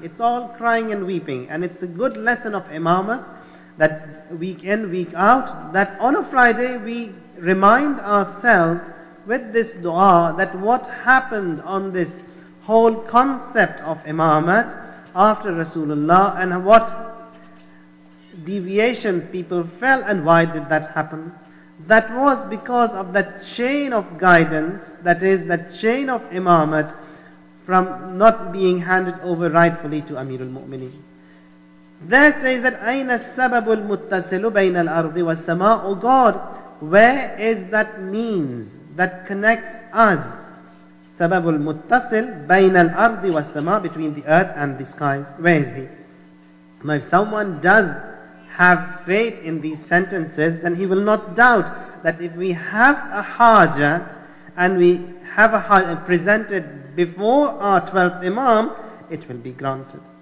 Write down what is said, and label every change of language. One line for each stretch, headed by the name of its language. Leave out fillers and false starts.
English: It's all crying and weeping. And it's a good lesson of Imamat, that week in, week out, that on a Friday we remind ourselves with this du'a that what happened on this whole concept of Imamat after Rasulullah, and what deviations people fell, and why did that happen? That was because of that chain of guidance, that is, that chain of Imamat from not being handed over rightfully to Amirul Mu'mineen. There says that,
Arabic: أَيْنَ السَّبَبُ الْمُتَّسِلُ بَيْنَ الْأَرْضِ وَالسَّمَاءِ.
English: O God, where is that means that connects us?
Arabic: سَبَبُ الْمُتَّسِلُ بَيْنَ الْأَرْضِ وَالسَّمَاءِ,
English: between the earth and the skies. Where is he? Now, if someone does have faith in these sentences, then he will not doubt that if we have a hajat and we have a hajat presented before our 12th Imam, it will be granted.